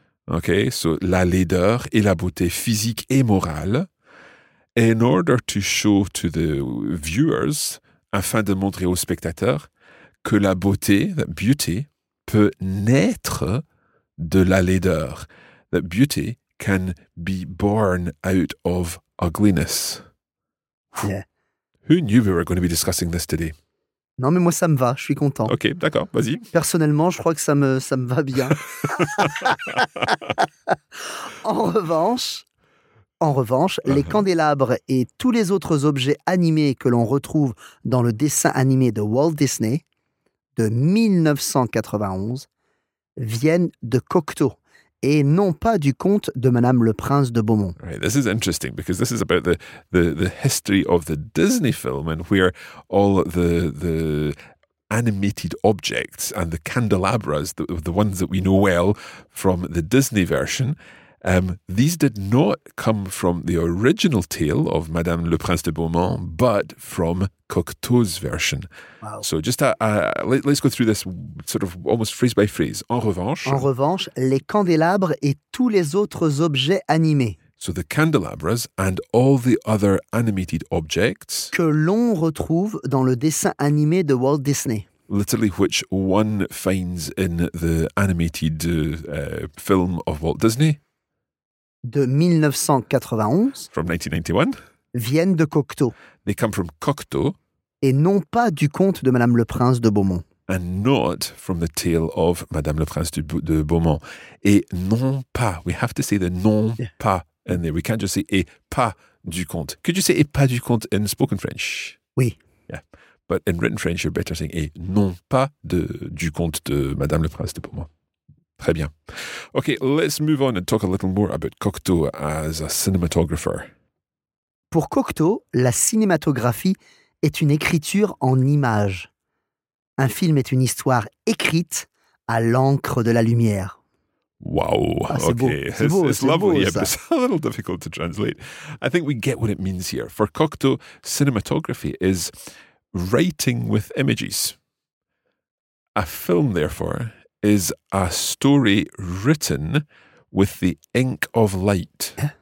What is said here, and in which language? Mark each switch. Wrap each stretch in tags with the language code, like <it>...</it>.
<fr>Okay, so la laideur et la beauté physique et morale,</fr> <en>in order to show to the viewers,</en> <fr>afin de montrer aux spectateurs, que la beauté,</fr> <en>that beauty,</en> <fr>peut naître de la laideur.</fr> <en>That beauty can be born out of ugliness. Yeah. Who knew we were going to be discussing this today?</en> <fr>Non, mais moi, ça me va, je suis content. Ok, d'accord, vas-y. Personnellement, je crois que ça me va bien. En revanche, uh-huh. Les candélabres et tous les autres objets animés que l'on retrouve dans le dessin animé de Walt Disney... de 1991 viennent de Cocteau et non pas du conte de Madame le Prince de Beaumont.</fr> <en>Right, this is interesting because this is about the history of the Disney film and where all the animated objects and the candelabras, the ones that we know well from the Disney version, these did not come from the original tale of Madame le Prince de Beaumont, but from Cocteau's version. Wow. So just let's go through this sort of almost phrase by phrase.</en> <fr>En revanche, les candélabres et tous les autres objets animés.</fr> <en>So the candelabras and all the other animated objects.</en> <fr>Que l'on retrouve dans le dessin animé de Walt Disney.</fr> <en>Literally, which one finds in the animated film of Walt Disney.</en> <fr>De 1991.</fr> <en>From 1991.</en> <fr>Viennent de Cocteau.</fr> <en>They come from Cocteau.</en> <fr>Et non pas du conte de Madame le Prince de Beaumont.</fr> <en>And not from the tale of Madame le Prince de Beaumont.</en> <fr>Et non pas.</fr> <en>We have to say the non pas in there. We can't just say</en> <fr>et pas du conte.</fr> <en>Could you say</en> <fr>et pas du conte</fr> <en>in spoken French?</en> <fr>Oui.</fr> <en>Yeah. But in written French, you're better saying</en> <fr>et non pas du conte de Madame le Prince de Beaumont. Très bien.</fr> <en>Okay, let's move on and talk a little more about Cocteau as a cinematographer.</en> <fr>Pour Cocteau, la cinématographie est une écriture en images. Un film est une histoire écrite à l'encre de la lumière.</fr> <en>Wow. Ah, it's lovely, but it's a little difficult to translate. I think we get what it means here. For Cocteau, cinematography is writing with images. A film, therefore, is a story written with the ink of light.</en>